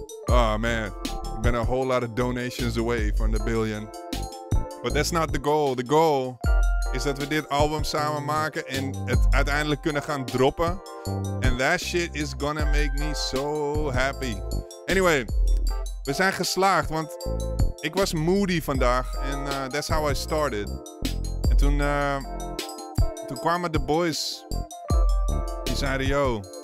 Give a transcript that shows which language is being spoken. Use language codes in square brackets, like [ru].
[en] Oh man, been a whole lot of donations away from the billion. But that's not the goal. The goal is [nl] dat we dit album samen maken en het uiteindelijk kunnen gaan droppen. [en] And that shit is gonna make me so happy. [nl] Anyway, we zijn geslaagd, want ik was moody vandaag. [en] And that's how I started. [nl] En toen kwamen de boys. Die zeiden, yo.